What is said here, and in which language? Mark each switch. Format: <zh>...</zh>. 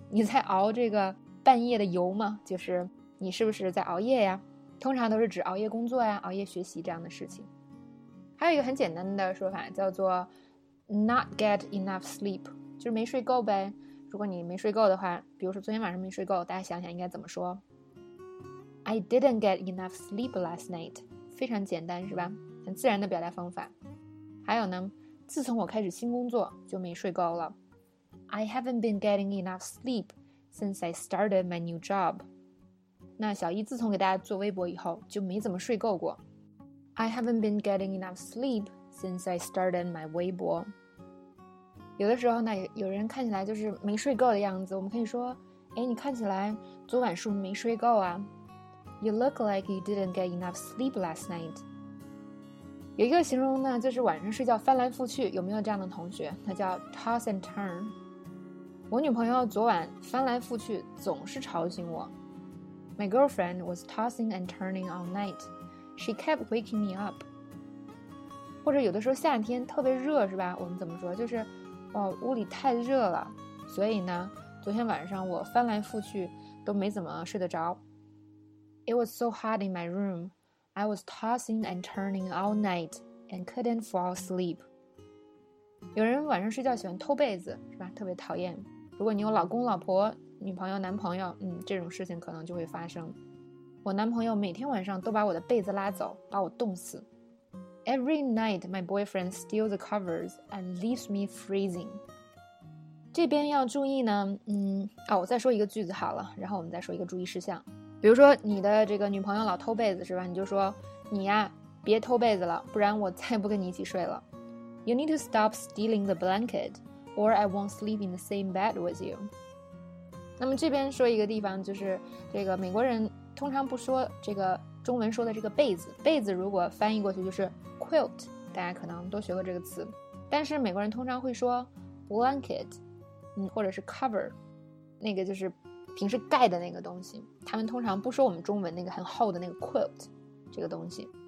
<zh>你在熬这个半夜的油吗？就是你是不是在熬夜呀？通常都是指熬夜工作呀，熬夜学习这样的事情。还有一个很简单的说法叫做</zh> <en>not get enough sleep，</en> <zh>就是没睡够呗。如果你没睡够的话，比如说昨天晚上没睡够，大家想想应该怎么说。</zh> <en>I didn't get enough sleep last night，</en> <zh>非常简单，是吧？很自然的表达方法。还有呢，自从我开始新工作就没睡够了。</zh> <en>I haven't been getting enough sleep since I started my new job。</en> <zh>那小一自从给大家做微博以后就没怎么睡够过。</zh> <en>I haven't been getting enough sleep since I started my Weibo。</en> <zh>有的时候呢，有人看起来就是没睡够的样子，我们可以说，哎，你看起来昨晚是不是没睡够啊？</zh> <en>You look like you didn't get enough sleep last night。</en> <zh>有一个形容呢，就是晚上睡觉翻来覆去，有没有这样的同学？他叫</zh> <en>toss and turn。</en> <zh>我女朋友昨晚翻来覆去，总是吵醒我。</zh> <en>My girlfriend was tossing and turning all night. She kept waking me up.</en> <zh>或者有的时候夏天特别热是吧，我们怎么说，就是哦，屋里太热了，所以呢昨天晚上我翻来覆去都没怎么睡得着。</zh> <en>It was so hot in my room. I was tossing and turning all night and couldn't fall asleep.</en> <zh>有人晚上睡觉喜欢偷被子是吧，特别讨厌。如果你有老公老婆女朋友男朋友，嗯，这种事情可能就会发生。我男朋友每天晚上都把我的被子拉走，把我冻死。</zh> <en>Every night my boyfriend steals the covers and leaves me freezing.</en> <zh>这边要注意呢，我再说一个句子好了，然后我们再说一个注意事项。比如说你的这个女朋友老偷被子是吧，你就说你呀别偷被子了，不然我再不跟你一起睡了。</zh> <en>You need to stop stealing the blanket or I won't sleep in the same bed with you.</en> <zh>那么这边说一个地方，就是这个美国人通常不说这个中文说的这个被子，被子如果翻译过去就是 quilt， 大家可能都学过这个词，但是美国人通常会说 blanket，或者是 cover， 那个就是平时盖的那个东西，他们通常不说我们中文那个很厚的那个 quilt 这个东西。</zh>